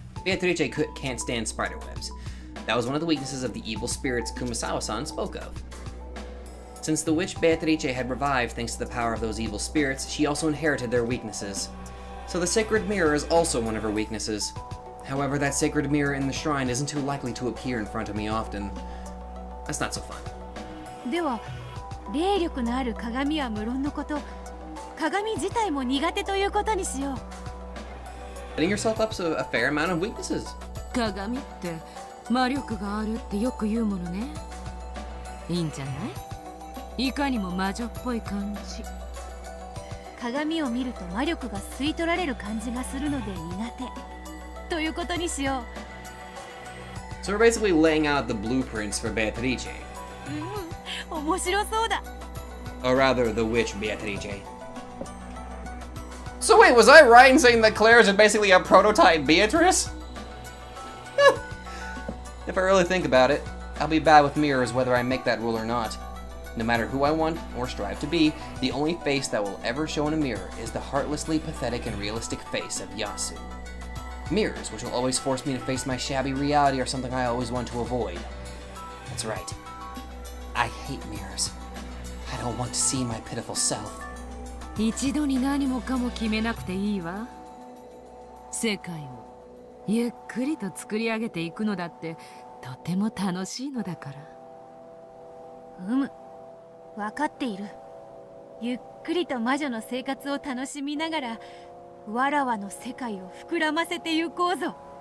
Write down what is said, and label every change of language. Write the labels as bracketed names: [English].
[English] Beatrice can't stand spider webs. That was one of the weaknesses of the evil spirits Kumasawa-san spoke of. Since the witch Beatrice had revived thanks to the power of those evil spirits, she also inherited their weaknesses. So the sacred mirror is also one of her weaknesses. However, that sacred mirror in the shrine isn't too likely to appear in front of me often. That's not so fun. [Japanese] では、霊力のある鏡は無論のこと、鏡自体も苦手ということにしよう。 [English] Setting yourself up to a fair amount of weaknesses. [Japanese] 鏡って魔力があるってよく言うものね。いいんじゃない？いかにも魔女っぽい感じ。鏡を見ると魔力が吸い取られる感じがするので苦手。ということにしよう。 [English] So we're basically laying out the blueprints for Beatrice. [Japanese] 面白そうだ。 [English] Or rather, the witch Beatrice. So wait, was I right in saying that Claire is basically a prototype Beatrice? If I really think about it, I'll be bad with mirrors whether I make that rule or not. No matter who I want or strive to be, the only face that will ever show in a mirror is the heartlessly pathetic and realistic face of Yasu. Mirrors, which will always force me to face my shabby reality, are something I always want to avoid. That's right. I hate mirrors. I don't want to see my pitiful self. [Japanese] 一度に何もかも決めなくていいわ。世界をゆっくりと作り上げていくのだってとても楽しいのだから。うむ、わかっている。ゆっくりと魔女の生活を楽しみながら、わらわの世界を膨らませて行こうぞ。